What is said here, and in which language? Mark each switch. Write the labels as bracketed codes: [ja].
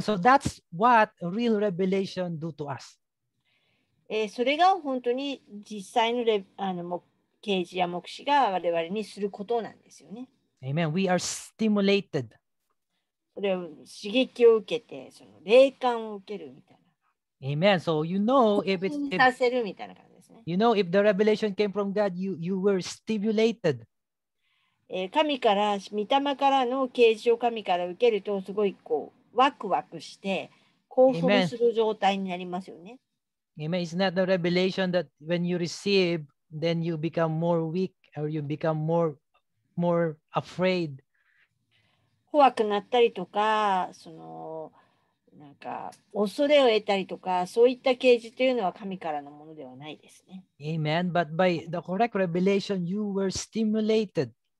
[en] So that's what real revelation do to us. [ja] それが本当に実際のあの啓示や黙示が我々にすることなんですよね。 [en] Amen. We are stimulated. [ja] それを刺激を受けてその霊感を受けるみたいな。 [en] Amen. So you know if it's [ja] 興奮させるみたいな感じ。 [en] You know, if the revelation came from God, you were stimulated. [ja] 神から、御霊からの啓示を神から受けると、すごいこうワクワクして興奮する状態になりますよね。 [en] Amen. It's not the revelation that when you receive, then you become more weak or you become more afraid. [ja] 怖くなったりとか、その、なんか恐れを得たりとかそういった啓示というのは神からのものではないですね。 [en] Amen. But by the correct revelation, you were stimulated.